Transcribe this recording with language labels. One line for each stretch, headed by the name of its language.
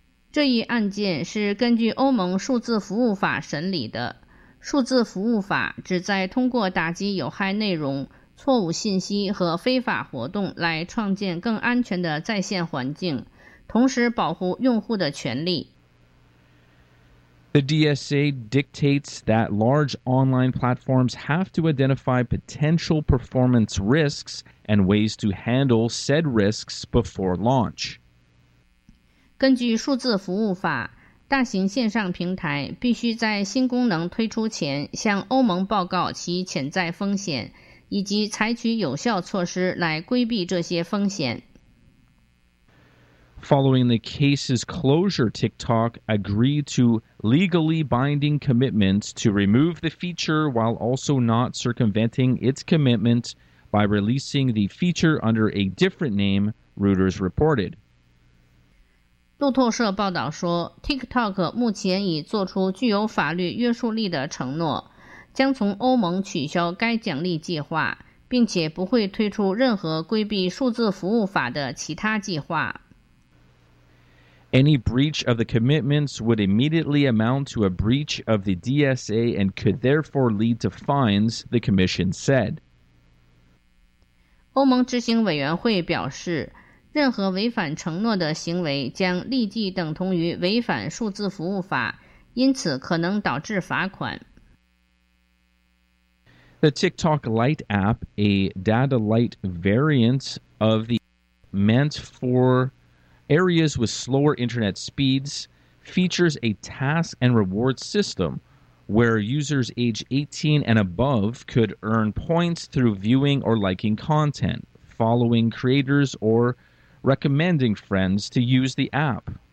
Chinese: 这一案件是根据欧盟数字服务法审理的。数字服务法旨在通过打击有害内容、错误信息和非法活动来创建更安全的在线环境，同时保护用户的权利。
English: The DSA dictates that large online platforms have to identify potential performance risks and ways to handle said risks before launch.
Chinese: 根据数字服务法，大型线上平台必须在新功能推出前向欧盟报告其潜在风险，以及采取有效措施来规避这些风险。
English: Following the case's closure, TikTok agreed to legally binding commitments to remove the feature while also not circumventing its commitment by releasing the feature under a different name, Reuters reported.
Chinese: 路透社报道说 ,TikTok 目前已做出具有法律约束力的承诺，将从欧盟取消该奖励计划，并且不会推出任何规避数字服务法的其他计划。
English: Any breach of the commitments would immediately amount to a breach of the DSA and could therefore lead to fines, the commission said.
Chinese: 欧盟执行委员会表示，任何违反承诺的行为将立即等同于违反数字服务法，因此可能导致罚款。
English: The TikTok Lite app, a data light variant of the meant for areas with slower internet speeds, features a task and reward system where users age 18 and above could earn points through viewing or liking content, following creators or recommending friends to use the app.